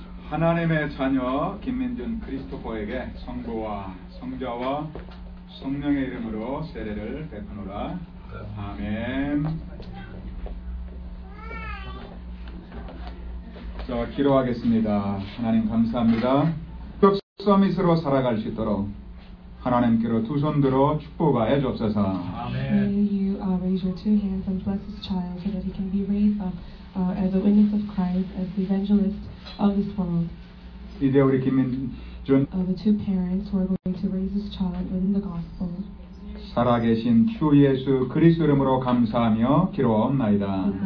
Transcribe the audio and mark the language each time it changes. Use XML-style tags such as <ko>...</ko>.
<ko>하나님의 자녀 김민준 크리스토퍼에게 성부와 성자와 성령의 이름으로 세례를 베푸노라. 아멘. 자, 기도하겠습니다. 하나님 감사합니다. 흑서밋으로 살아갈 수 있도록 하나님께로 두 손 들어 축복하여 주옵소서. 아멘.</ko> <en>May you raise your two hands and bless this child so that he can be raised up as a witness of Christ, as the evangelist of this world.</en> <ko>이제 우리 김민준</ko> <en>the two parents who are going to raise this child within the gospel.</en> <ko>살아계신 주 예수 그리스도 이름으로 감사하며 기도하옵나이다.</ko>